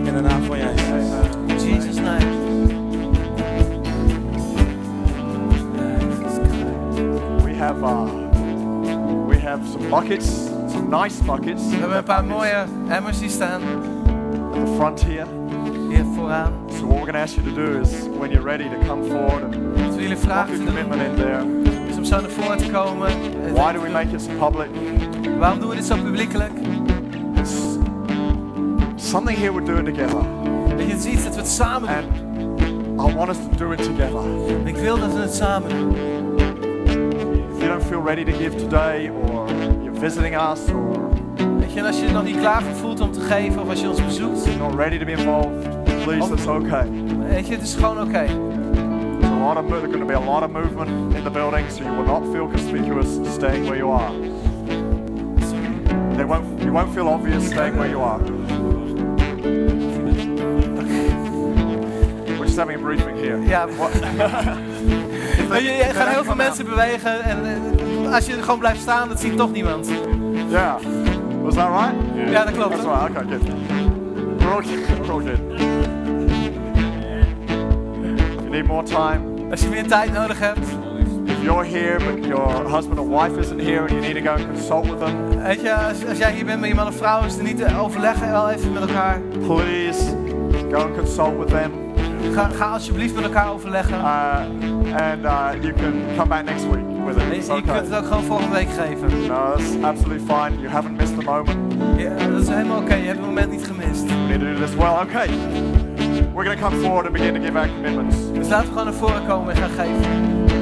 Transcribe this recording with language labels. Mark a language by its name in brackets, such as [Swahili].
[Dutch] In de naam van Jezus. [English] In Jesus' name. We have some buckets. Nice buckets. [Dutch] We hebben een paar mooie emmers hier staan. [English] At the front here. [Dutch] Hier vooraan. [English] So what we're going to ask you to do is when you're ready to come forward and [Dutch] dus jullie vragen [English] your commitment [Dutch] doen. [English] In there. [Dutch] Dus om zo naar voren te komen. [English] Why do we make it so public? [Dutch] Waarom doen we dit zo publiekelijk? [English] Something here we're doing together. [Dutch] Dat je ziet dat we het samen doen. [English] And I want us to do it together. [Dutch] En ik wil dat we het samen doen. [English] If you don't feel ready to give today or visiting us or [Dutch] weet je, als je nog niet klaar voor voelt om te geven of als je ons bezoekt. [English] You're not ready to be involved. Please, that's okay. [Dutch] Weet je, het is gewoon okay. [English] There's going to be a lot of movement in the building, so you will not feel conspicuous staying where you are. You won't feel obvious staying where you are. We're just having a briefing here. Yeah. [Dutch] Je gaat heel veel mensen bewegen en als je er gewoon blijft staan, dat ziet toch niemand. Ja, was dat right? Ja, dat klopt. [English] That's right, okay, good. We're all good. You need more time. [Dutch] Als je meer tijd nodig hebt. [English] If you're here, but your husband or wife isn't here and you need to go and consult with them. [Dutch] Weet je, als jij hier bent met je man of vrouw, is het niet te overleggen wel even met elkaar. [English] Please, go and consult with them. [Dutch] Ga alsjeblieft met elkaar overleggen. [English] You can come back next week. With it. [Dutch] Je okay. Kunt het ook gewoon volgende week geven. [English] No, that's absolutely fine. You haven't missed the moment. [Dutch] Yeah, dat is helemaal oké. Okay. Je hebt het moment niet gemist. [English] We need to do this well. Okay. We're going to come forward and begin to give our commitments. [Dutch] Dus laten we gewoon naar voren komen en gaan geven.